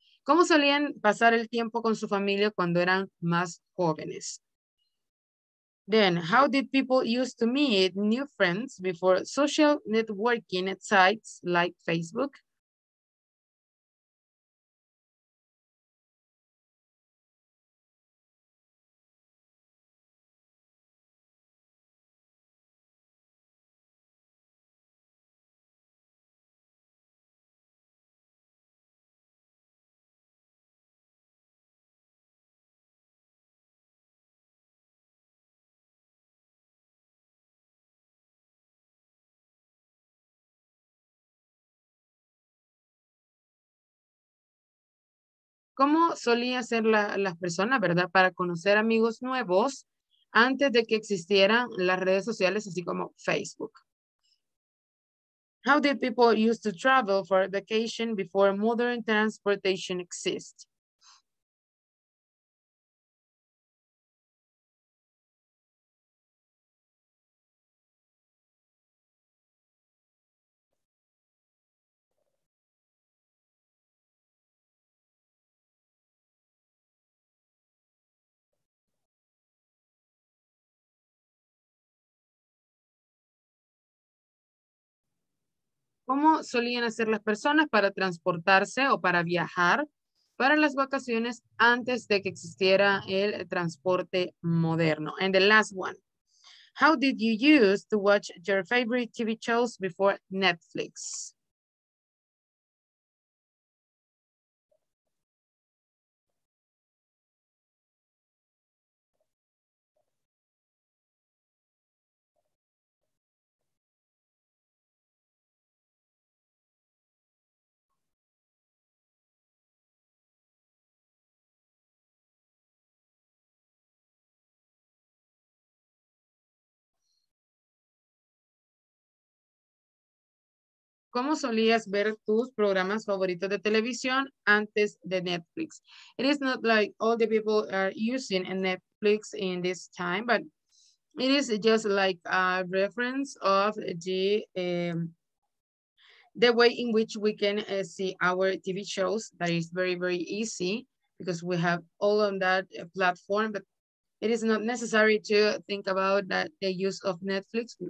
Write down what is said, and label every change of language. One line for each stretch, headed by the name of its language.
Spanish: ¿Cómo solían pasar el tiempo con su familia cuando eran más jóvenes?
English: Then, how did people used to meet new friends before social networking sites like Facebook?
Spanish: ¿Cómo solía ser las personas, verdad, para conocer amigos nuevos antes de que existieran las redes sociales, así como Facebook?
English: How did people used to travel for vacation before modern transportation exist?
Spanish: ¿Cómo solían hacer las personas para transportarse o para viajar para las vacaciones antes de que existiera el transporte moderno?
English: And the last one. How did you use to watch your favorite TV shows before Netflix?
Spanish: ¿Cómo solías ver tus programas favoritos de televisión antes de Netflix?
English: It is not like all the people are using Netflix in this time, but it is just like a reference of the way in which we can see our TV shows. That is very, very easy because we have all on that platform, but it is not necessary to think about that the use of Netflix.